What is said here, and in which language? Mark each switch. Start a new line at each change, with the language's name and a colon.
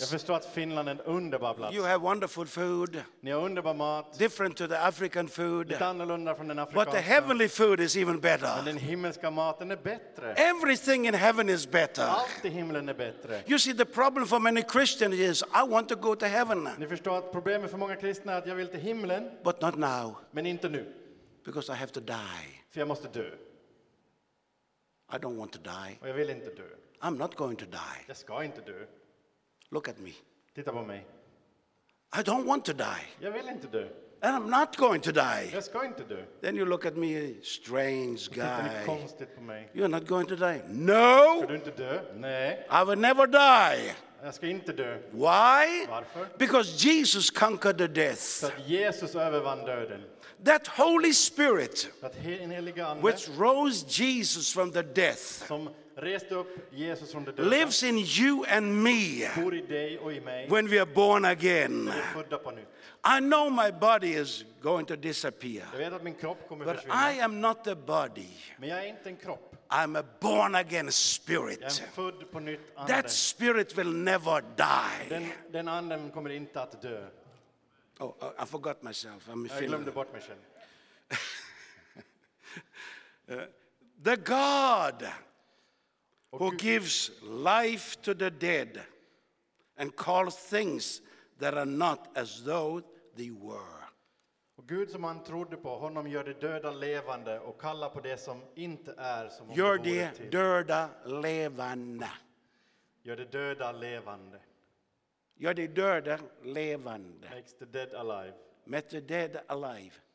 Swedish: Jag förstår att Finland är en underbar plats.
English: You have wonderful food.
Swedish: Ni har underbar mat.
English: Different to the African food.
Swedish: Lite annorlunda från den afrikanska.
English: But the heavenly food is even better.
Swedish: Men den himmelska maten är bättre.
English: Everything in heaven is better.
Swedish: Allt i himlen är bättre.
English: You see, the problem for many Christians is I want to go to heaven.
Swedish: Ni förstår att problemet för många kristna är att jag vill till himlen.
English: But not now.
Swedish: Men inte nu.
English: Because I have to die.
Swedish: För jag måste dö.
English: I don't want to die.
Swedish: Och jag vill inte dö.
English: I'm not going to die.
Swedish: Jag ska inte dö.
English: Look at me.
Swedish: Titta på mig.
English: I don't want to die.
Swedish: Jag vill inte dö.
English: And I'm not going to die.
Swedish: Jag ska inte dö.
English: Then you look at me, strange guy.
Swedish: Tittar ni konstigt på mig.
English: You're not going to die. No.
Swedish: Ska du inte dö? Nej.
English: I will never die.
Swedish: Jag ska inte dö.
English: Why?
Swedish: Varför?
English: Because Jesus conquered the death.
Swedish: För att Jesus övervann döden.
English: That Holy Spirit,
Swedish: that en helig ande,
English: which rose Jesus from the death,
Swedish: som reste upp Jesus från de döda,
English: lives in you and me,
Swedish: bor i dig och i mig,
English: when we are born again.
Swedish: Vi är födda på nytt.
English: I know my body is going to disappear.
Swedish: Jag vet att min kropp kommer
English: but
Swedish: försvinna.
English: I am not a body.
Swedish: Men jag är inte en kropp.
English: I'm a born again spirit.
Swedish: Jag är född på nytt ande.
English: That spirit will never die.
Swedish: Den anden kommer inte att dö.
English: Oh, I forgot myself. I'm
Swedish: Finland. Glömde bort mig själv.
English: The God who gives life to the dead and calls things that are not as though they were.
Swedish: Och Gud som man trodde på, honom gör det döda levande och kallar på det som inte är som om det vore till. Gör det döda levande. Gör det döda levande. Gör det döda levande.
English: Makes the dead alive. Make the dead alive.